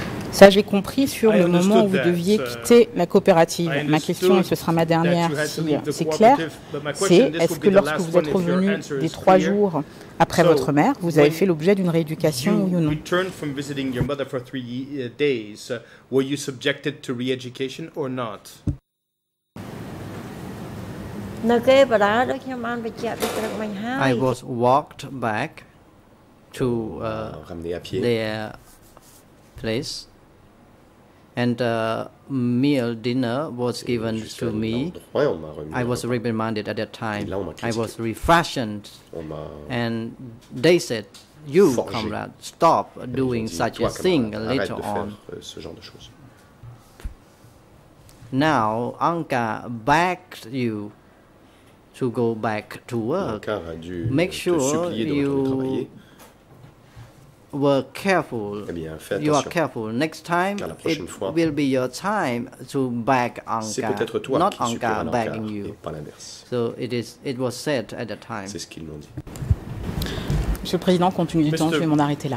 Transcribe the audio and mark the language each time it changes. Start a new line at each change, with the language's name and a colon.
French: Ça, j'ai compris sur le moment où vous deviez quitter la coopérative. Ma question, et ce sera ma dernière si c'est clair, c'est est-ce que lorsque vous êtes revenu des trois jours après votre mère, vous avez fait l'objet d'une rééducation oui ou non?
English: Returned from visiting your mother for three days, were you subjected to re-education or not? I was walked back to their place. And a meal, dinner, was given to me. I was reprimanded at that time. I was refreshed. And they said, you, comrade, stop doing such a thing later on. Now, Anka begged you to go back to work. Make sure you were careful.
French: Eh bien,
English: you
French: attention.
English: Are careful. Next time, it
French: fois,
English: will be your time to beg Anka, not Anka begging you. So it was said at that time.
French: C'est ce qu'ils m'ont dit. Monsieur le Président, compte tenu du temps, je vais m'en arrêter là.